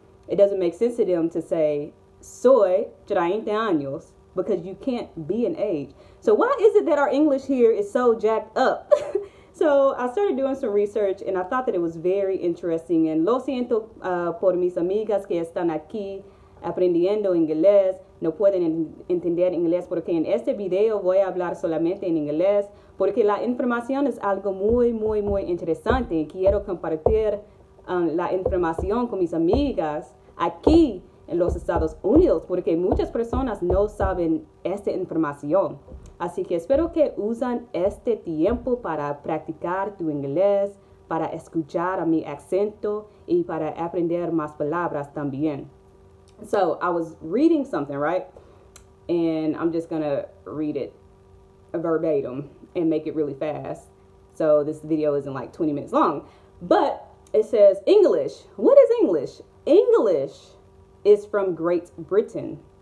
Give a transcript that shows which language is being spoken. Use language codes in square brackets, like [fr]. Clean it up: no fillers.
[en] It doesn't make sense to them to say, [es] soy 30 años, [en] because you can't be an age. So why is it that our English here is so jacked up? So I started doing some research and I thought that it was very interesting. [es] And lo siento por mis amigas que están aquí aprendiendo inglés. No pueden entender inglés porque en este video voy a hablar solamente en inglés. Porque la información es algo muy, muy, muy interesante. Quiero compartir la información con mis amigas aquí en los Estados Unidos porque muchas personas no saben esta información. Así que espero que usen este tiempo para practicar tu inglés, para escuchar mi acento y para aprender más palabras también. [en] So, I was reading something, right? And I'm just gonna read it verbatim and make it really fast. So this video isn't like 20 minutes long. But it says, English. What is English? English is from Great Britain.